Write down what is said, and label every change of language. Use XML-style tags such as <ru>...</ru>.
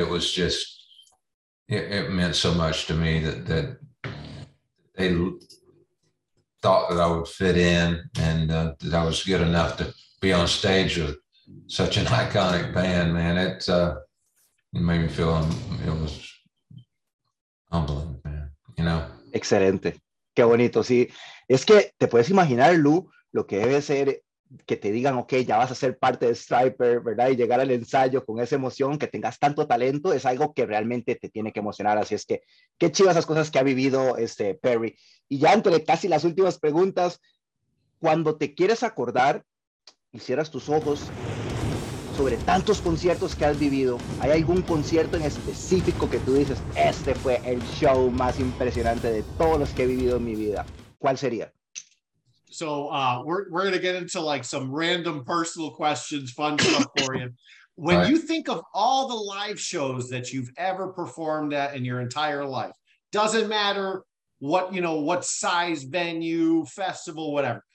<en>It was just, it meant so much to me that they thought that I would fit in, and that I was good enough to be on stage with such an iconic band, man. It made me feel, it was humbling, man, you know?</en> <es>Excelente. Qué bonito, sí. Es que te puedes imaginar, Lu, lo que debe ser que te digan, ok, ya vas a ser parte de Stryper, ¿verdad? Y llegar al ensayo con esa emoción, que tengas tanto talento, es algo que realmente te tiene que emocionar. Así es que, qué chivas esas cosas que ha vivido este Perry. Y ya entre casi las últimas preguntas, cuando te quieres acordar y cierras tus ojos sobre tantos conciertos que has vivido, ¿hay algún concierto en específico que tú dices, este fue el show más impresionante de todos los que he vivido en mi vida? ¿Cuál sería?</es> <en>So we're going to get into like some random personal questions, fun stuff for you. When right. you think of all the live shows that you've ever performed at in your entire life, doesn't matter what, you know, what size venue, festival, whatever.</en>